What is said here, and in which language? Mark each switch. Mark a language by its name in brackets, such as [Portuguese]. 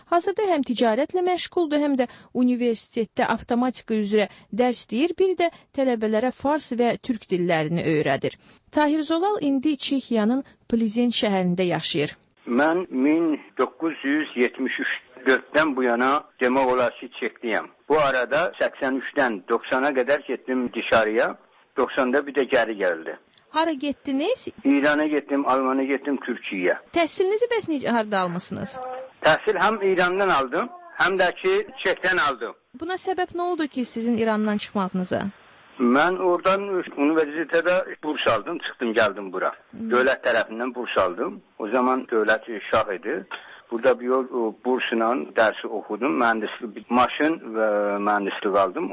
[Azerbaijani] Hazırda həm ticarətlə məşğuldur, həm də universitetdə avtomatika üzrə dərs deyir, bir də tələbələrə fars və türk dillərini öyrədir. Tahir Zolal indi Çexiyanın Plzeň şəhərində yaşayır. Mən 1974-dən bu yana demək olar ki, Çexliyəm. [Turkish] Bu arada 83'den 90'a kadar gittim dışarıya, 90'da bir de geri geldi. Hara gittiniz? İran'a gittim, Alman'a gittim, Türkiye'ye. [Azerbaijani] Təhsilinizi bəs necə harada almışsınız? [Turkish] Təhsil hem İran'dan aldım, hem de ki Çek'ten aldım. Buna sebep ne oldu ki sizin İran'dan çıkmağınıza? Ben oradan üniversitede burs aldım, çıktım geldim bura. Devlet tarafından burs aldım. O zaman devlet şah idi. Burada bir yol bursla dersi okudum. Mühendislik, maşın ve mühendislik aldım.